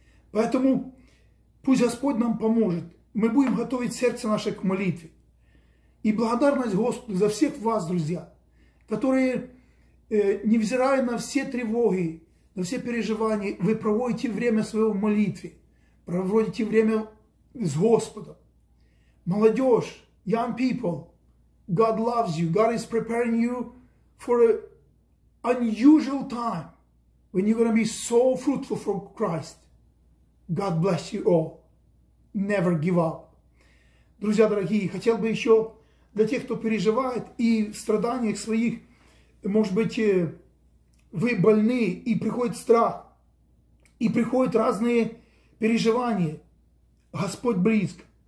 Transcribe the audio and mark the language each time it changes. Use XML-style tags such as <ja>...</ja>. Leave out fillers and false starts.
<ru>Поэтому пусть Господь нам поможет. Мы будем готовить сердце наше к молитве. И благодарность Господу за всех вас, друзья, которые, невзирая на все тревоги, на все переживания, вы проводите время своего в молитве, проводите время с Господом. Молодежь,</ru> <en>young people, God loves you. God is preparing you for an unusual time when you're going to be so fruitful for Christ. God bless you all. Never give up.</en> <ru>Друзья дорогие, хотел бы еще для тех, кто переживает и в страданиях своих, может быть, вы больны, и приходит страх, и приходят разные переживания. Господь близко.</ru>